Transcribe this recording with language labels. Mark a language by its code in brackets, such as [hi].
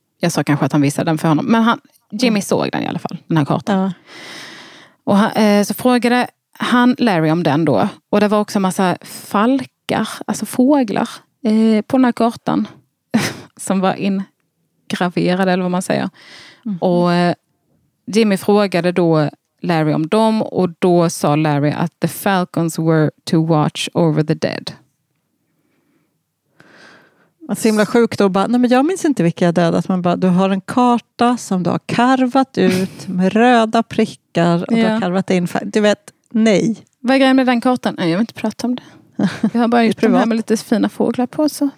[sv] Jag sa kanske att han visade den för honom, men Jimmy såg den i alla fall, den här kartan. Ja. Och så frågade han Larry om den då. Och det var också en massa falkar, alltså fåglar, på den här kartan. Som var ingraverade, eller vad man säger. Mm. Och Jimmy frågade då Larry om dem. Och då sa Larry att [en] the falcons were to watch over the dead. [sv] Att simla sjukt och bara, nej men jag minns inte vilka jag dödat. Man bara, du har en karta som du har karvat ut med röda prickar och du har karvat in. Du vet, nej. Vad är grejen med den kartan? Nej, jag vill inte prata om det. Jag har bara gjort det här med lite fina fåglar på så.